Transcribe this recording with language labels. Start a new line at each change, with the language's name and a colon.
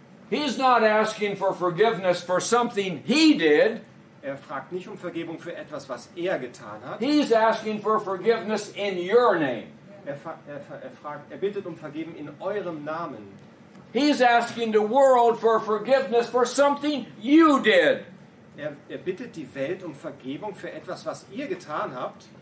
English: He's not asking for forgiveness for something he did.
German: Er fragt nicht um Vergebung für etwas, was er getan hat.
English: He's asking for forgiveness in your name.
German: Er bittet um Vergeben in eurem Namen.
English: He's asking the world for forgiveness for something you did.
German: Er bittet die Welt um Vergebung für etwas, was ihr getan habt.